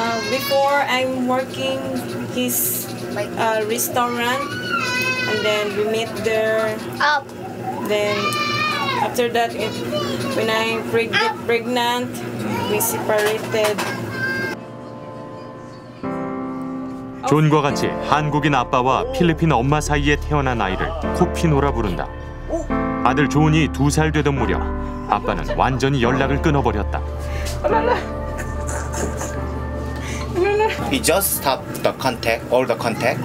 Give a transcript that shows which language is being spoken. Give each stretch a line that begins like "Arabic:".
English: Before I'm working his restaurant, and then we meet there. Up. Then after that, when I'm pregnant, we separated.
Korean: 존과 같이 한국인 아빠와 필리핀 엄마 사이에 태어난 아이를 코피노라 부른다. 아들 존이 두 살 되던 무렵 아빠는 완전히 연락을 끊어버렸다.
English: He just stopped the contact, all the contact.